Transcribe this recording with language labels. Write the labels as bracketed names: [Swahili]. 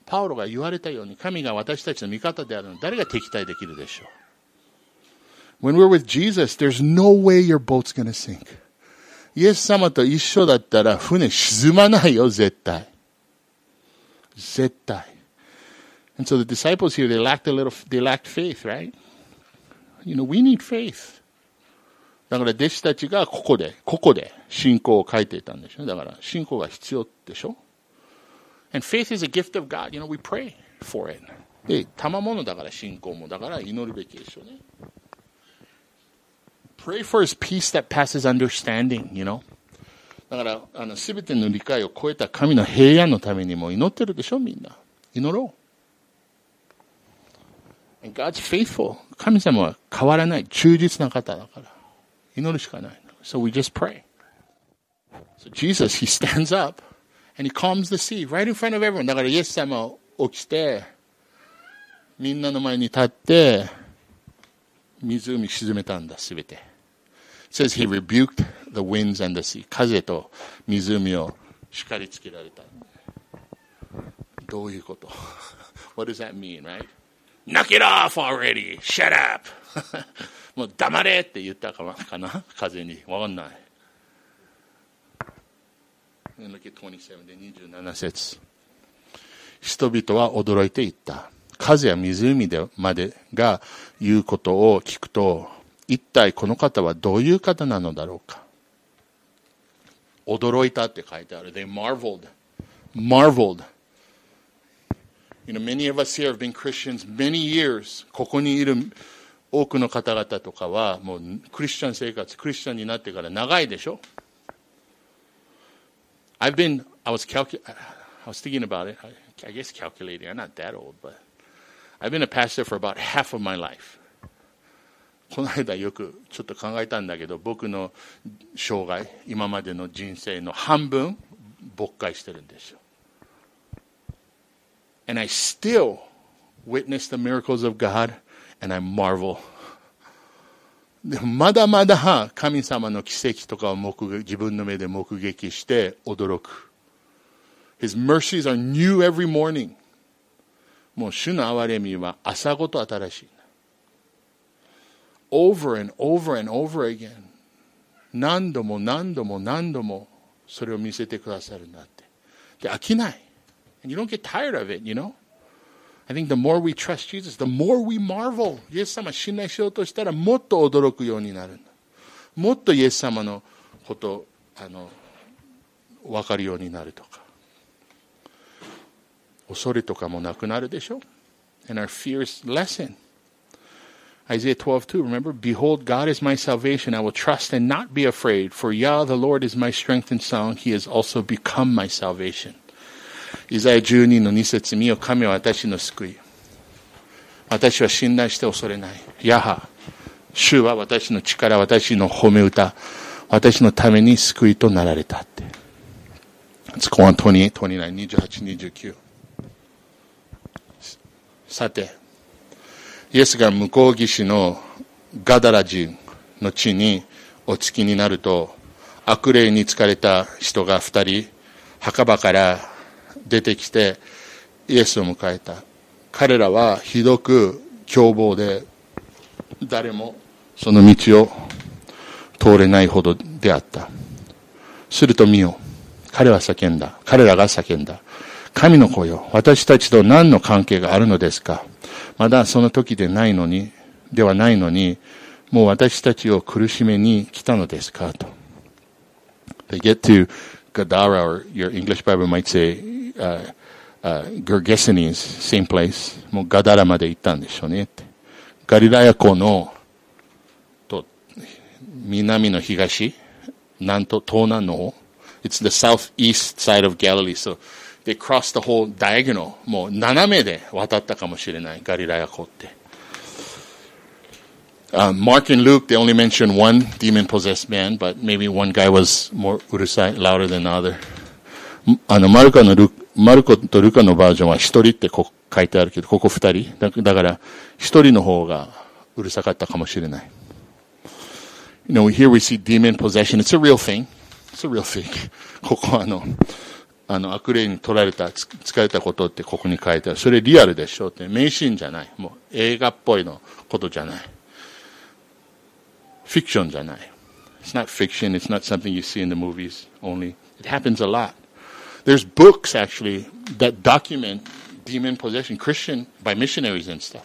[Japanese] パウロが言われたように、神が私たちの味方であるのに、誰が敵対できるでしょう。 [English] When we're with Jesus, there's no way your boat's gonna sink. [Japanese] イエス様と一緒だったら船沈まないよ、絶対。絶対。 [English] And so the disciples here, they lacked faith, right? You know, we need faith. [Japanese] だから弟子たちがここで信仰を書いていたんでしょ。だから信仰が必要でしょ。 [English] And faith is a gift of God. You know, we pray for it. [Japanese] で、賜物だから信仰も、だから祈るべきでしょうね。 [English] Pray for his peace that passes understanding, you know. [Japanese] だから、すべての理解を超えた神の平安のためにも祈ってるでしょ、みんな。祈ろう。 [English] And God's faithful. [Japanese] 神様は変わらない、忠実な方だから。祈るしかない。 [English] So we just pray. So Jesus, he stands up and he calms the sea right in front of everyone. [Japanese] だから、イエス様起きて、みんなの前に立って湖沈めたんだ、すべて。 [English] It says he rebuked the winds and the sea. [Japanese] 風と湖を叱りつけられた。どういうこと? [English] What does that mean, right? Knock it off already! Shut up! [Japanese] もう黙れって言ったかな、風に。わかんない。 [English] Look at 27, [Japanese] で27節。人々は驚いていった。風や湖でまでが言うことを聞くと、一体この方はどういう方なのだろうか。驚いたって書いてある。 [English] They marveled. Marveled. You know, many of us here have been Christians many years. [Japanese] ここにいる多くの方々とかは、もうクリスチャン生活、クリスチャンになってから長いでしょ。 [English] I was thinking about it. I guess calculating. I'm not that old, but I've been a pastor for about half of my life. [Japanese] この間よくちょっと考えたんだけど、僕の生涯、今までの人生の半分、牧会してるんですよ。 [English] And I still witness the miracles of God, and I marvel. [Japanese] でもまだまだ神様の奇跡とかを目撃、自分の目で目撃して驚く。 [English] His mercies are new every morning. [Japanese] もう主の憐れみは朝ごと新しい。 [English] Over and over and over again. [Japanese] 何度も何度も何度もそれを見せてくださるんだって。で、飽きない。 [English] And you don't get tired of it, you know? I think the more we trust Jesus, the more we marvel. [Japanese] イエス様信頼しようとしたらもっと驚くようになるんだ。もっとイエス様のこと、わかるようになるとか。恐れとかもなくなるでしょ? [English] And our fears lessen. Isaiah 12:2, remember? Behold, God is my salvation. I will trust and not be afraid. For Yah, the Lord, is my strength and song. He has also become my salvation. [Japanese] イザヤ 12:2 節、見よ、神は私の救い。私は信頼して恐れない。ヤハ、主は私の力、私の褒め歌、私のために救いとなられたって。 [English] Let's go on 28:29。 [Japanese] さて、イエスが向こう岸のガダラ人の地にお着きになると、悪霊に疲れた人が二人、墓場から出てきてイエスを迎えた。彼らはひどく凶暴で、誰もその道を通れないほどであった。すると見よ、彼らが叫んだ。神の子よ、私たちと何の関係があるのですか。まだその時でないのに、ではないのに、もう私たちを苦しめに来たのですかと。 [English] They get to Gadara, or your English Bible might say, Gergesenes, same place. [Japanese] もうガダラまで行ったんでしょうねって。ガリラヤ湖の、と、南の東、南と東南の方。 [English] It's the southeast side of Galilee, so,They crossed the whole diagonal. [Japanese] もう斜めで渡ったかもしれない。ガリラヤ湖って。 [English] Mark and Luke, they only mention one demon-possessed man, but maybe one guy was more [Japanese] うるさい、 [English] louder than the other. [Japanese] マルコとルカのバージョンは一人ってこ書いてあるけど、ここ二人。だから、一人の方がうるさかったかもしれない。 [English] You know, here we see demon possession. It's a real thing. It's a real thing. [Japanese] ここ悪霊に取られた、疲れたことってここに書いてある。それリアルでしょって。名シーンじゃない。もう映画っぽいのことじゃない。フィクションじゃない。 [English] It's not fiction. It's not something you see in the movies only. It happens a lot. There's books actually that document demon possession, Christian by missionaries and stuff.